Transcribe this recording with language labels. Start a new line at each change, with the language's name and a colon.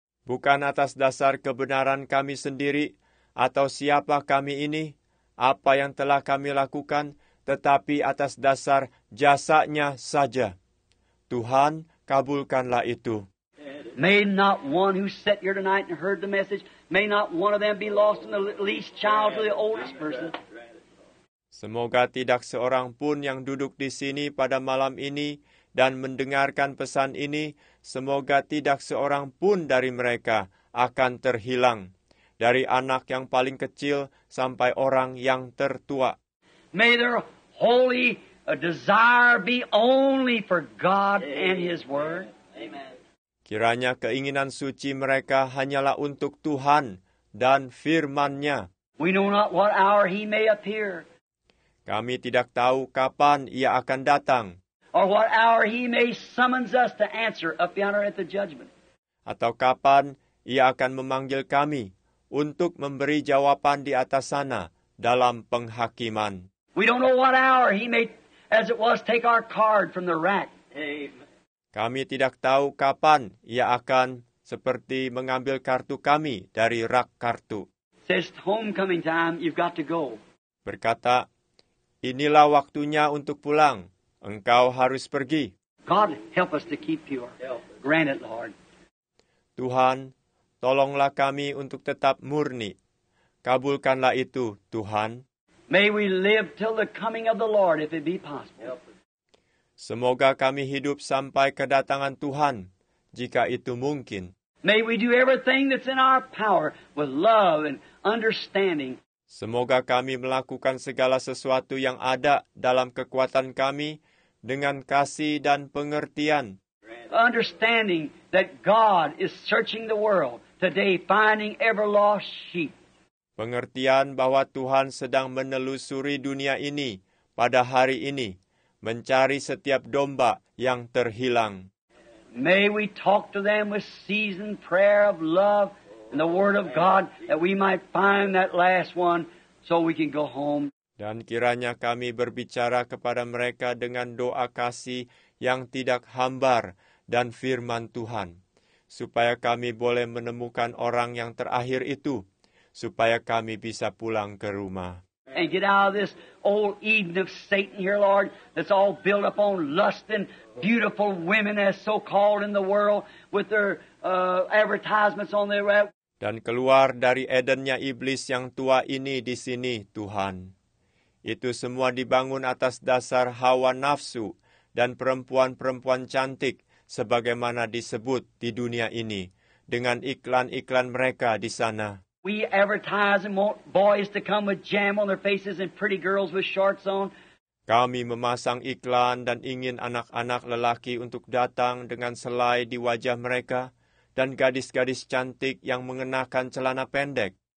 Indonesian: Bukan atas dasar kebenaran kami sendiri atau siapa kami ini, apa yang telah kami lakukan, tetapi atas dasar jasanya saja. Tuhan, kabulkanlah itu.
English: May not one who sat here tonight and heard the message, may not one of them be lost from the least child to the oldest person.
Indonesian: Semoga tidak seorang pun yang duduk di sini pada malam ini dan mendengarkan pesan ini, semoga tidak seorang pun dari mereka akan terhilang, dari anak yang paling kecil sampai orang yang tertua.
English: May their holy desire be only for God and His Word.
Indonesian: Kiranya keinginan suci mereka hanyalah untuk Tuhan dan Firman-Nya.
English: We know not what hour He may appear.
Indonesian: Kami tidak tahu kapan Ia akan datang.
English: Or what hour He may summons us to answer up yonder at the judgment.
Indonesian: Atau kapan Ia akan memanggil kami untuk memberi jawaban di atas sana dalam penghakiman.
English: We don't know what hour He may, as it was, take our card from the rack.
Indonesian: Kami tidak tahu kapan Ia akan seperti mengambil kartu kami dari rak kartu.
English: Says homecoming time, you've got to go.
Indonesian: Berkata, inilah waktunya untuk pulang. Engkau harus pergi.
English: God help us to keep pure. Grant it, Lord.
Indonesian: Tuhan, tolonglah kami untuk tetap murni. Kabulkanlah itu, Tuhan.
English: May we live till the coming of the Lord, if it be possible.
Indonesian: Semoga kami hidup sampai kedatangan Tuhan, jika itu mungkin.
English: May we do everything that's in our power with love and understanding.
Indonesian: Semoga kami melakukan segala sesuatu yang ada dalam kekuatan kami dengan kasih dan pengertian.
English: Understanding that God is searching the world today, finding ever lost sheep.
Indonesian: Pengertian bahwa Tuhan sedang menelusuri dunia ini pada hari ini, mencari setiap domba yang terhilang.
English: May we talk to them with seasoned prayer of love and the word of God that we might find that last one so we can go home.
Indonesian: Dan kiranya kami berbicara kepada mereka dengan doa kasih yang tidak hambar dan firman Tuhan, supaya kami boleh menemukan orang yang terakhir itu, supaya kami bisa pulang ke rumah.
English: And get out of this old Eden of Satan here, Lord, that's all built up on lust and beautiful women as so-called in the world with their advertisements on their web.
Indonesian: Dan keluar dari Edennya iblis yang tua ini di sini, Tuhan. Itu semua dibangun atas dasar hawa nafsu dan perempuan-perempuan cantik sebagaimana disebut di dunia ini dengan iklan-iklan mereka di sana.
English: We advertise and want boys to come with jam on their faces and pretty girls with shorts on.
Indonesian: Kami memasang iklan dan ingin anak-anak lelaki untuk datang dengan selai di wajah mereka dan gadis-gadis cantik yang mengenakan celana pendek.